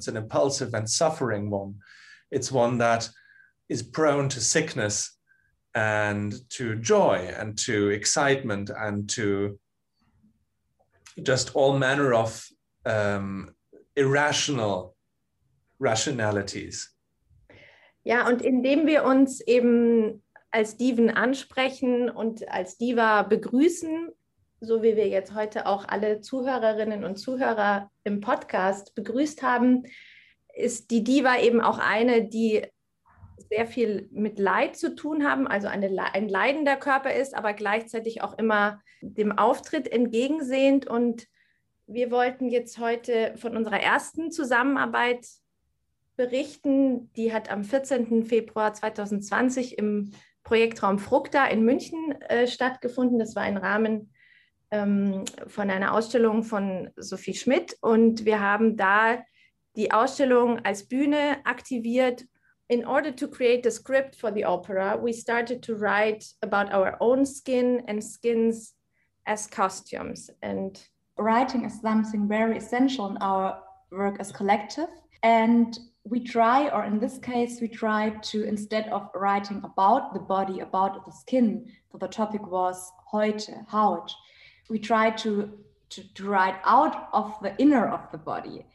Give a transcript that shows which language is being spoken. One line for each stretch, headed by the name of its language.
English: It's an impulsive and suffering one. It's one that is prone to sickness and to joy and to excitement and to just all manner of irrational rationalities.
German: Ja, und indem wir uns eben als Diven ansprechen und als Diva begrüßen, so wie wir jetzt heute auch alle Zuhörerinnen und Zuhörer im Podcast begrüßt haben, ist die Diva eben auch eine, die sehr viel mit Leid zu tun haben, also ein leidender Körper ist, aber gleichzeitig auch immer dem Auftritt entgegensehend. Und wir wollten jetzt heute von unserer ersten Zusammenarbeit berichten. Die hat am 14. Februar 2020 im Projektraum Fructa in München stattgefunden. Das war im Rahmen von einer Ausstellung von Sophie Schmidt. Und wir haben da die Ausstellung als Bühne aktiviert.
English: In order to create the script for the opera, we started to write about our own skin and skins as costumes. And writing is something very essential in our work as collective. And we try, or in this case, we try to, instead of writing about the body, about the skin, for the topic was
German: heute, haut,
English: we try to write out of the inner of the body.